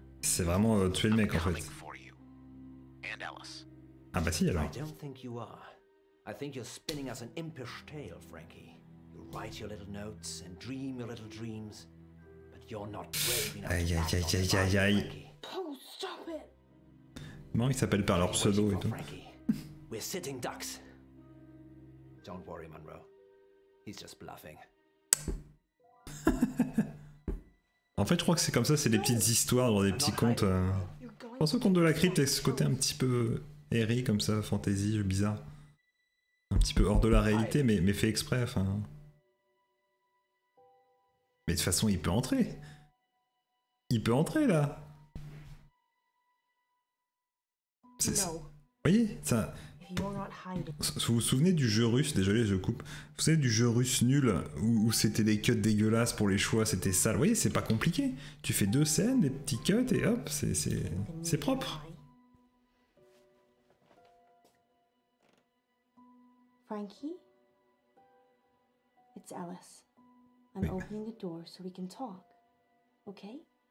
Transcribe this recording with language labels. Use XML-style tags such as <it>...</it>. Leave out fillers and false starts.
<fr>C'est vraiment tuer le mec,</fr> <en>I'm</en> <fr>en fait.</fr> <en>For you. And Alice.</en> <fr>Ah bah si, alors.</fr> <en>I don't think you are. I think you're spinning us an impish tale, Frankie. You write your little notes and dream your little dreams, but you're not brave enough to stop it.</en> <fr>Non, ils s'appellent par leur pseudo et tout.</fr> <en>We're sitting ducks. Don't worry, Monroe. He's just bluffing.</en> <fr>En fait, je crois que c'est comme ça, c'est des petites histoires dans des petits contes. Je pense au conte de la crypte et ce côté un petit peu airy, comme ça, fantasy, bizarre. Un petit peu hors de la réalité, mais fait exprès, enfin. Mais de toute façon, il peut entrer. Il peut entrer, là. C'est ça. Vous voyez, ça... Vous vous souvenez du jeu russe, désolé je coupe, vous savez du jeu russe nul où c'était des cuts dégueulasses pour les choix, c'était sale, vous voyez c'est pas compliqué, tu fais deux scènes, des petits cuts et hop, c'est propre.</fr> <en>Frankie, it's Alice, I'm opening the door so we can talk, okay?</en>